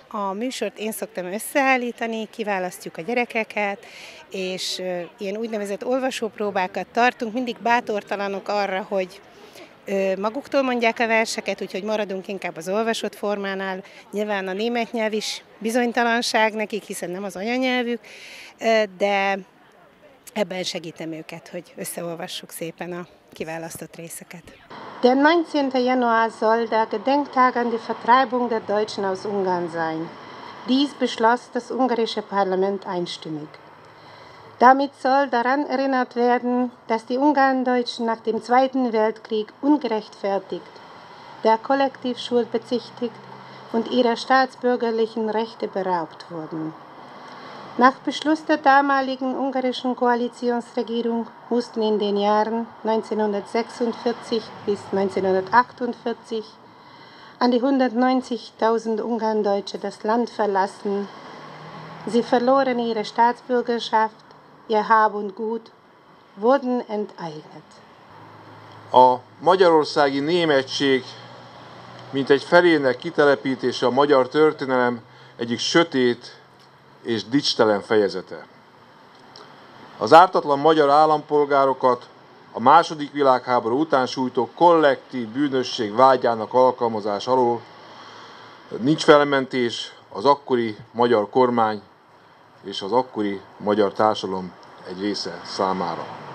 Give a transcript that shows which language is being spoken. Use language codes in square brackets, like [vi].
[hu] A műsort én szoktam összeállítani, kiválasztjuk a gyerekeket, és ilyen úgynevezett olvasópróbákat tartunk, mindig bátortalanok arra, hogy maguktól mondják a verseket, úgyhogy maradunk inkább az olvasott formánál. Nyilván a német nyelv is bizonytalanság nekik, hiszen nem az anyanyelvük, de ebben segítem őket, hogy összeolvassuk szépen a kiválasztott részeket. [de] Der 19. Januar soll der Gedenktag an die Vertreibung der Deutschen aus Ungarn sein. Dies beschloss das ungarische Parlament einstimmig. Damit soll daran erinnert werden, dass die Ungarn-Deutschen nach dem Zweiten Weltkrieg ungerechtfertigt, der Kollektivschuld bezichtigt und ihrer staatsbürgerlichen Rechte beraubt wurden. Nach Beschluss der damaligen ungarischen Koalitionsregierung mussten in den Jahren 1946 bis 1948 an die 190.000 Ungarn-Deutsche das Land verlassen. Sie verloren ihre Staatsbürgerschaft, ihr Hab und Gut, wurden enteignet. [hu] A magyarországi németség, mint egy felének kitelepítése a magyar történelem egyik sötét és dicstelen fejezete. Az ártatlan magyar állampolgárokat a II. Világháború után sújtó kollektív bűnösség vágyának alkalmazás alól nincs felmentés az akkori magyar kormány és az akkori magyar társadalom egy része számára.